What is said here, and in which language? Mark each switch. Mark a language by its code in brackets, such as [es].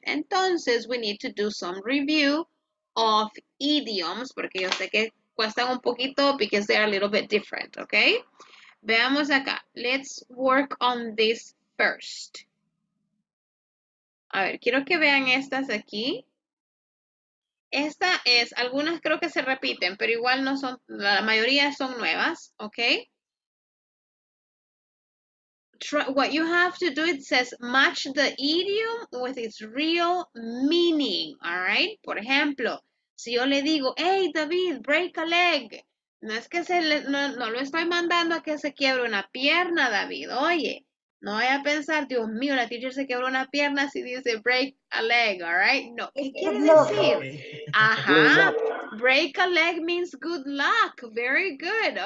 [en] Entonces, we need to do some review of idioms, [es] porque yo sé que cuestan un poquito, [en] because they are a little bit different, okay? [es] Veamos acá. [en] Let's work on this first. [es] A ver, quiero que vean estas aquí. Esta es, algunas creo que se repiten, pero igual no son, la mayoría son nuevas, ¿ok? [en] What you have to do, it says match the idiom with its real meaning, all right? [es] Por ejemplo, si yo le digo, hey, David, break a leg. No es que no lo estoy mandando a que se quiebre una pierna, David. Oye, no vaya a pensar, Dios mío, la teacher se quebró una pierna si dice break a leg, [en] all right? [es] No, ¿qué quiere decir? Ajá. [en] break a leg means good luck. Very good.